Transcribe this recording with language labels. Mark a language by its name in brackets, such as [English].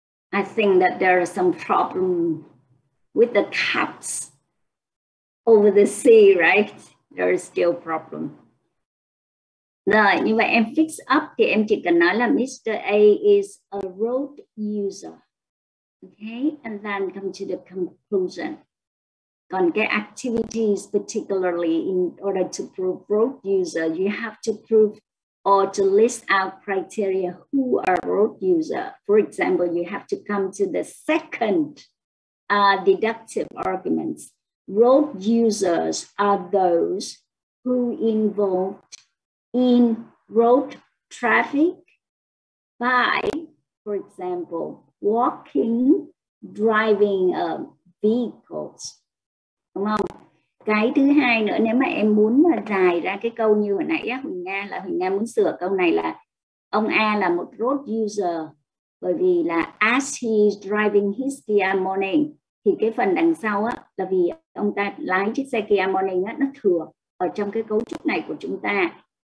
[English] I think that there are some problem with the caps over the sea, right? There is still problem. [Vietnamese] Rồi, như vậy em fix up thì em chỉ cần nói là Mr. [English] A is a road user. Okay, and then come to the conclusion. [Vietnamese] Còn cái [English] activities particularly in order to prove road user, you have to prove or to list out criteria who are road user. For example, you have to come to the second deductive arguments. Road users are those who involved in road traffic by, for example, walking, driving vehicles. [Vietnamese] Đúng không? Cái thứ hai nữa, nếu mà em muốn dài ra cái câu như hồi nãy á, Huỳnh Nga là Huỳnh Nga muốn sửa câu này là ông A là một road user, bởi vì là [English] as he's driving his Kia Morning [Vietnamese] thì cái phần đằng sau á là vì ông ta lái chiếc xe Kia Morning á, nó thừa ở trong cái cấu trúc này của chúng ta.